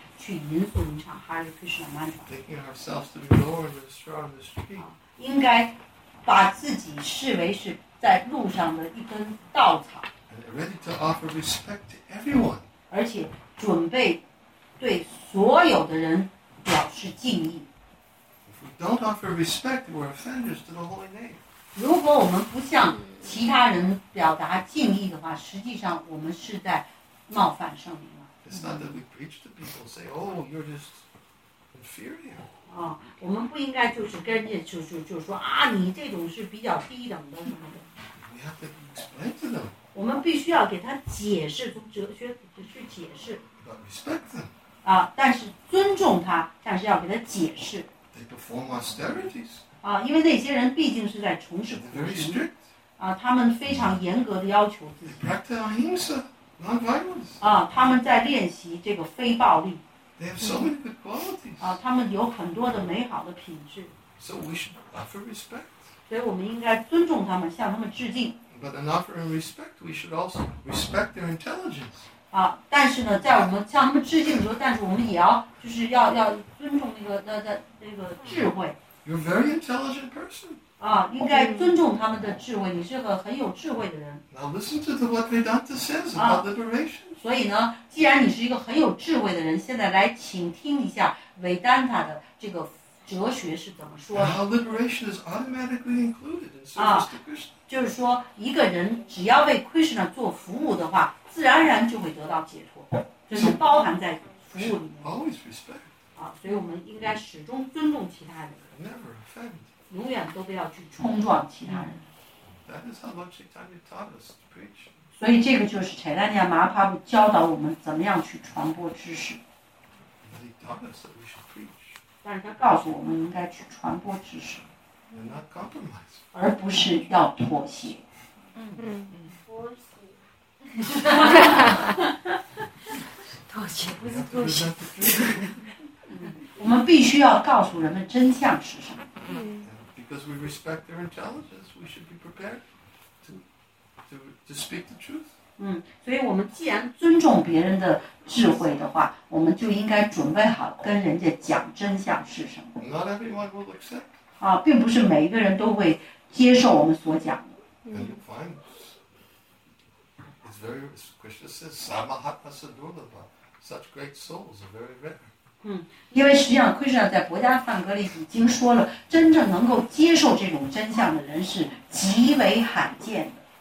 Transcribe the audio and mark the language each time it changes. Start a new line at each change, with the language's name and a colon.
English: Thinking ourselves to be lower than the straw in the street.
Chinese: 把自己视为是在路上的一根稻草
English: and ready to offer respect to everyone.
Chinese: 而且准备对所有的人表示敬意
English: If we don't offer respect, we're offenders to the holy name.
Chinese: 如果我们不向其他人表达敬意的话，实际上我们是在冒犯圣灵了。
English: It's not that we preach to people, say, oh, you're just inferior.
Chinese: 我们不应该就是跟人家就说啊，你这种是比较低等的什么的。
English: We have to explain to them.
Chinese: 我们必须要给他解释，从哲学去解释。
English: But respect them.
Chinese: 但是尊重他，但是要给他解释。
English: They perform austerities.
Chinese: 因为那些人毕竟是在从事苦行。
English: They're very strict.
Chinese: 他们非常严格的要求自己。
English: They practice ahimsa, non-violence.
Chinese: 他们在练习这个非暴力。
English: They have so many good qualities.
Chinese: 他们有很多的美好的品质。
English: So we should offer respect.
Chinese: 所以我们应该尊重他们，向他们致敬。
English: But in offering respect, we should also respect their intelligence.
Chinese: 但是呢，在我们向他们致敬的时候，但是我们也要就是要尊重那个智慧。
English: You're a very intelligent person.
Chinese: 应该尊重他们的智慧，你是个很有智慧的人。
English: Now listen to what Vedanta says about liberation.
Chinese: 所以呢，既然你是一个很有智慧的人，现在来请听一下维丹塔的这个哲学是怎么说的。
English: How liberation is automatically included in service to Krishna.
Chinese: 就是说，一个人只要为 Krishna 做服务的话，自然而然就会得到解脱，就是包含在服务里面。
English: Always respect.
Chinese: 所以我们应该始终尊重其他人。
English: Never offend.
Chinese: 永远都不要去冲撞其他人。
English: That is how Lord Chaitanya taught us to preach.
Chinese: 所以这个就是 Chaitanya Mahaprabhu 教导我们怎么样去传播知识。
English: But he taught us that we should preach.
Chinese: 但是他告诉我们应该去传播知识。
English: And not compromise.
Chinese: 而不是要妥协。妥协。妥协不是妥协。我们必须要告诉人们真相是什么。
English: Because we respect their intelligence, we should be prepared to speak the truth.
Chinese: 所以我们既然尊重别人的智慧的话，我们就应该准备好跟人家讲真相是什么。
English: Not everyone will accept.
Chinese: 并不是每一个人都会接受我们所讲的。
English: And you find it's very, as Krishna says, samahatmasadurlabha. Such great souls are very rare.
Chinese: 因为实际上 Krishna 在薄伽梵歌里已经说了，真正能够接受这种真相的人是极为罕见的。